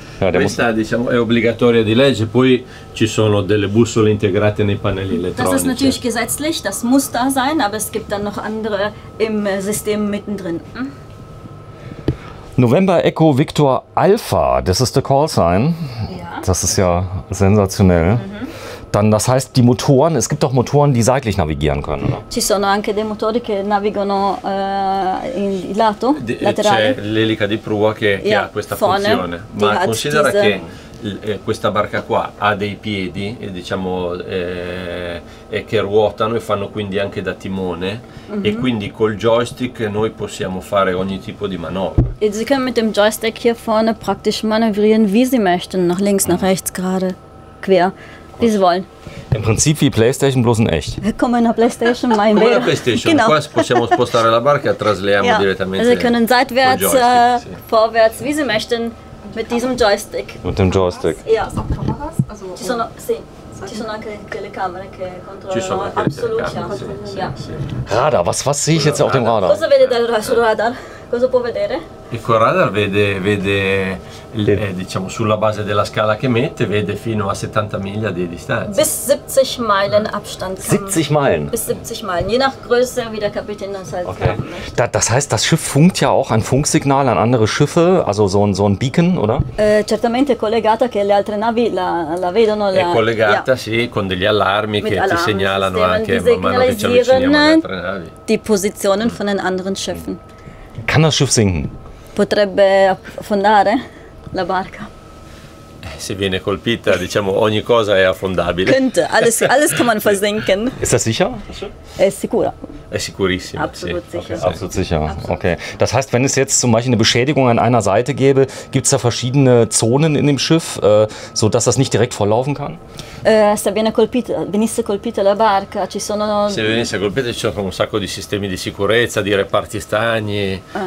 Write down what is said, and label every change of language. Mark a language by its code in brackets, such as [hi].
[it] Questa è obbligatoria di legge. Poi ci sono delle bussole integrate nei pannelli elettronici. [de] Das ist natürlich gesetzlich. Das muss da sein. Aber es gibt dann noch andere im System mittendrin. November Echo Victor Alpha, das ist der Callsign. Ja. Das ist ja sensationell. Dann, das heißt, die Motoren, es gibt auch Motoren, die seitlich navigieren können, oder? [it] Ci sono anche dei motori che navigano in lato, laterale. C'è l'elica di prua che ha questa funzione. Ma considera che questa barca qua ha dei piedi, che ruotano e fanno quindi anche da timone e quindi col joystick noi possiamo fare ogni tipo di manovra. [de] E sie können mit dem Joystick hier vorne praktisch manövrieren, wie sie möchten, nach links, nach rechts, gerade, quer, wie sie wollen. Im Prinzip wie PlayStation, bloß in echt. [it] Come una PlayStation, ma in vero. Come una PlayStation, [de] genau. [it] Qua possiamo spostare la barca e trasliamo direttamente. [de] Sie können seitwärts, vorwärts, wie sie möchten. Mit diesem Joystick. Mit dem Joystick. Ja. [it] Ci sono, sì, ci sono anche telecamere che controllano assolutamente. [de] Radar, was sehe ich jetzt auf dem Radar? [it] Cosa vede sul radar? Cosa può vedere? Ecco, il radar vede diciamo, sulla base della scala che mette, vede fino a 70 miglia di distanza. [de] Bis 70 Meilen Abstand. 70 Meilen? Bis 70 Meilen, je nach Größe, wie der Kapitän das halt okay. Da, das heißt, das Schiff funkt ja auch ein Funksignal an andere Schiffe, also so ein Beacon, oder? [it] Certamente collegata, che le altre navi la vedono. È collegata, sì, con degli allarmi che ti segnalano anche, man mano che ci avviciniamo alle altre navi. [de] Die Positionen von den anderen Schiffen. Kann das Schiff sinken? [it] Potrebbe affondare la barca. Se viene colpita, diciamo, ogni cosa è affondabile. [de] Könnte, alles kann man versinken. Ist das sicher? [it] È sicura. È sicurissima. [de] Absolut sicher. Okay. Absolut sicher. Okay. Das heißt, wenn es jetzt zum Beispiel eine Beschädigung an einer Seite gäbe, gibt es da verschiedene Zonen in dem Schiff, sodass das nicht direkt vorlaufen kann? [it] Se viene colpita, venisse colpita la barca, ci sono. Se venisse colpita, ci sono un sacco di sistemi di sicurezza, di reparti stagni.